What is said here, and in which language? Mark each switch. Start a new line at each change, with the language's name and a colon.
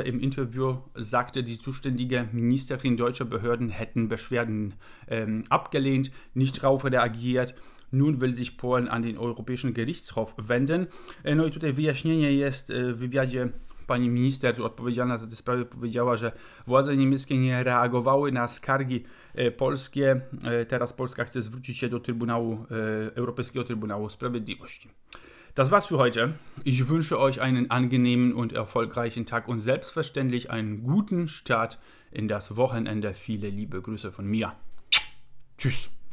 German: Im Interview sagte die zuständige Ministerin, deutsche Behörden hätten Beschwerden abgelehnt, nicht darauf reagiert. Nun will sich Polen an den Europäischen Gerichtshof wenden.
Polish: No i tutaj wyjaśnienie jest w wywiadzie. Pani minister odpowiedzialna za te sprawy powiedziała, że władze niemieckie nie reagowały na skargi polskie. Teraz Polska chce zwrócić się do Trybunału Europejskiego Trybunału Sprawiedliwości.
German: Das war's für heute. Ich wünsche euch einen angenehmen und erfolgreichen Tag und selbstverständlich einen guten Start in das Wochenende. Viele liebe Grüße von mir. Tschüss.